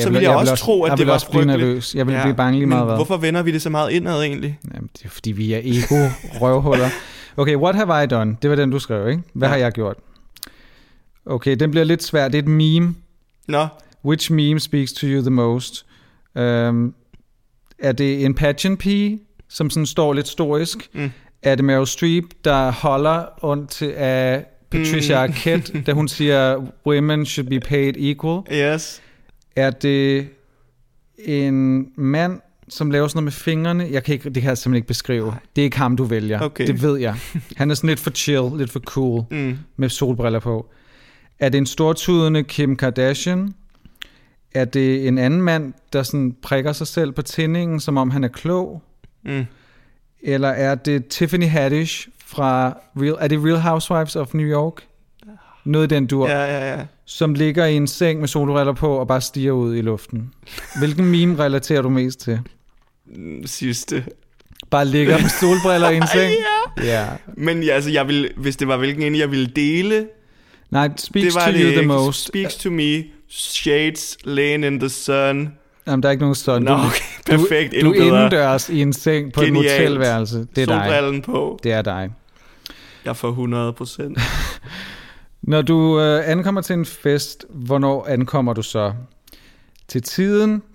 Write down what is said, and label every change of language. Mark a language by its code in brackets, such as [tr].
[da] jeg vil også tro, at det var frygteligt. Jeg vil også blive nervøs. Jeg vil blive bange lige meget. Men hvorfor vender vi det så meget indad egentlig? Jamen, det er fordi, vi er ego-røvhuller. [en] Okay, what have I done? [da] Det var den, du skrev, ikke? Hvad har jeg gjort? Okay, den bliver lidt svær. Det er et meme. Nå. [en] Which meme speaks to you the most? [da] Er det en pageant pige, som sådan står lidt storisk? Mm. Er det Meryl Streep, der holder ondt af Patricia Arquette, da hun siger, [en] women should be paid equal? Yes. [da] Er det en mand, som laver sådan noget med fingrene? Det kan jeg simpelthen ikke beskrive. Det er ikke ham, du vælger. [en] Okay. [da] Det ved jeg. Han er sådan lidt for chill, lidt for cool, med solbriller på. Er det en stortudende Kim Kardashian? Er det en anden mand, der sådan prikker sig selv på tindingen, som om han er klog? Mm. Eller er det Tiffany Haddish fra Real Housewives of New York? Noget i den dur. Ja. Som ligger i en seng med solbriller på og bare stiger ud i luften. Hvilken meme relaterer du mest til? Sidste. Bare ligger med solbriller i en seng? Ja. Men ja, altså, hvis det var hvilken en, jeg ville dele... Nej, [en] speaks to you the most. Speaks to me, shades laying in the sun. [da] Jamen, der er ikke nogen sun. Nå, okay. Perfekt, endnu bedre. Du er indendørs i en seng på en motelværelse. Det er dig. Solbrillen på. Det er dig. Jeg får 100%. Når du ankommer til en fest, hvornår ankommer du så? Til tiden.